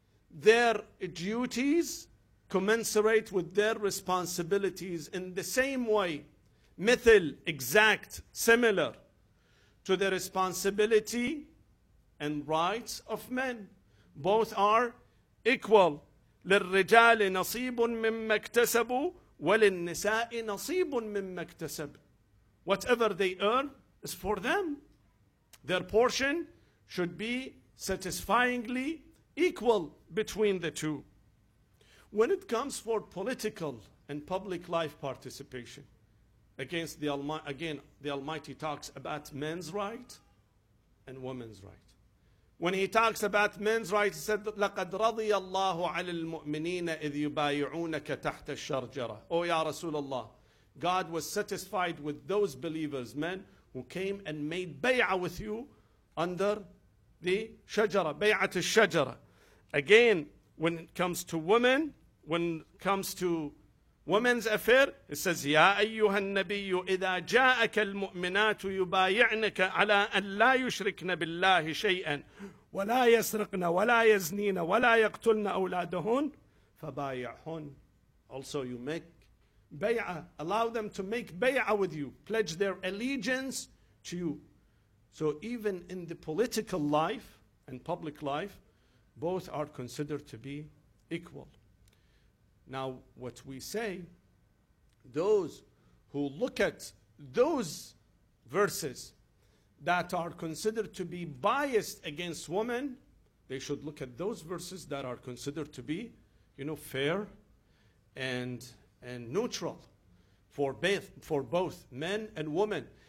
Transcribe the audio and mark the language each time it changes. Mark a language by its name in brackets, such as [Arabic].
[English] Their duties commensurate with their responsibilities in the same way, [Arabic] مثل, [English] exact, similar to the responsibility and rights of men. Both are equal. [Arabic] للرجال نصيب مما اكتسبوا وللنساء نصيب مما اكتسب. [English] Whatever they earn is for them. Their portion should be satisfyingly equal between the two. When it comes for political and public life participation, the Almighty talks about men's right and women's right. When he talks about men's right, he said, [Arabic] لَقَدْ رَضِيَ اللَّهُ عَلَى الْمُؤْمِنِينَ إِذْ يُبَايِعُونَكَ تَحْتَ الشَّرْجَرَةِ. [English] Oh, Ya Rasulullah, God was satisfied with those believers, men, who came and made bay'ah with you under the shajara, bay'at al-shajara. Again, when it comes to women, when it comes to women's affair, it says, [Arabic] يَا أَيُّهَا النَّبِيُّ إِذَا جَاءَكَ الْمُؤْمِنَاتُ يُبَايِعْنَكَ عَلَىٰ أَنْ لَا يُشْرِكْنَ بِاللَّهِ شَيْئًا وَلَا يَسْرِقْنَ وَلَا يَزْنِينَ وَلَا يَقْتُلْنَ أَوْلَادَهُنَّ فَبَايِعْهُنَّ. [English] Also, you make bay'ah, allow them to make bay'ah with you, pledge their allegiance to you. So even in the political life and public life, both are considered to be equal. Now, what we say, those who look at those verses that are considered to be biased against women, they should look at those verses that are considered to be, you know, fair and neutral for both men and women.